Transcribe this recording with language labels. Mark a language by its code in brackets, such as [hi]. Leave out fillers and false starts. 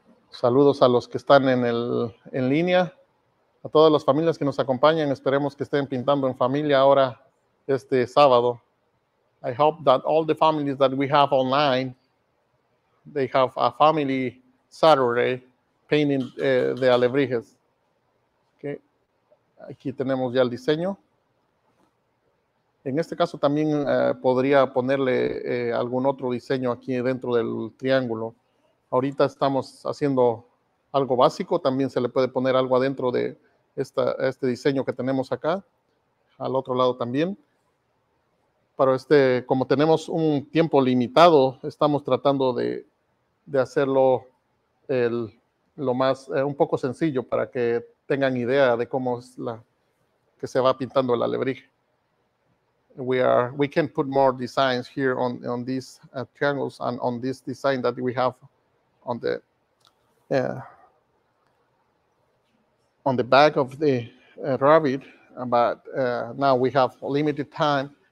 [es] Saludos a los que están en línea, a todas las familias que nos acompañan. Esperemos que estén pintando en familia ahora este sábado. [en] I hope that all the families that we have online, they have a family Saturday painting the alebrijes. Okay. [es] Aquí tenemos ya el diseño. En este caso también podría ponerle algún otro diseño aquí dentro del triángulo. Ahorita estamos haciendo algo básico. También se le puede poner algo adentro de este diseño que tenemos acá. Al otro lado también. Pero como tenemos un tiempo limitado, estamos tratando de hacerlo un poco sencillo para que tengan idea de cómo es que se va pintando el alebrije. [en] We can put more designs here on these triangles and on this design that we have on the on the back of the rabbit, but now we have limited time.